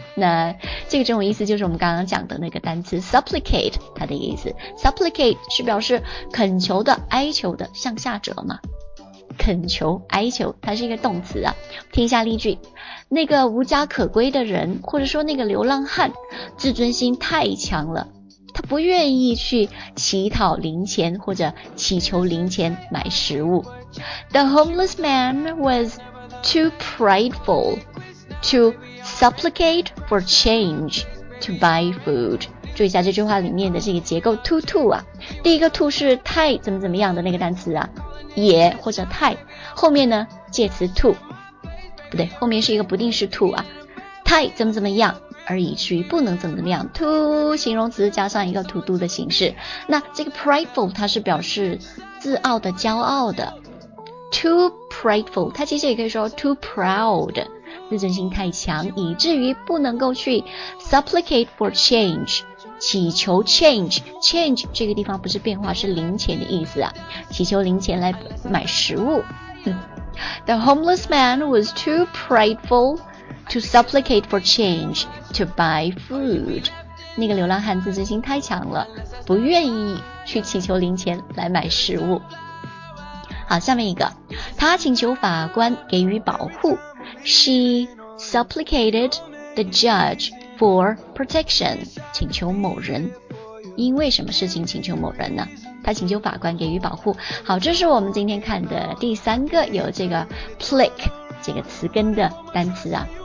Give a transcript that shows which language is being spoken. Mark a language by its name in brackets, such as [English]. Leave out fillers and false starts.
[Chinese] 那这个中文意思就是我们刚刚讲的那个单词 supplicate， 它的意思 supplicate 是表示恳求的，哀求的，向下折嘛，恳求，哀求，它是一个动词啊。听一下例句，那个无家可归的人或者说那个流浪汉自尊心太强了，他不愿意去乞讨零钱或者乞求零钱买食物。 [English] The homeless man was too prideful toSupplicate for change to buy food. [Chinese] 注意一下这句话里面的这个结构 to to 啊，第一个 to 是太怎么怎么样的那个单词啊，也或者太，后面呢介词 to， 不对，后面是一个不定式 to 啊，太怎么怎么样而以至于不能怎么怎么样， to 形容词加上一个 to do 的形式。那这个 prideful 它是表示自傲的，骄傲的， too prideful 它其实也可以说 too proud，自尊心太强以至于不能够去 supplicate for change， 祈求 change， change 这个地方不是变化，是零钱的意思啊，祈求零钱来买食物。 The homeless man was too prideful to supplicate for change to buy food，那个流浪汉自尊心太强了，不愿意去祈求零钱来买食物。好，下面一个，他请求法官给予保护。 She supplicated the judge for protection, 请求某人。因为什么事情请求某人呢？他请求法官给予保护。好，这是我们今天看的第三个有这个 plick 这个词根的单词啊。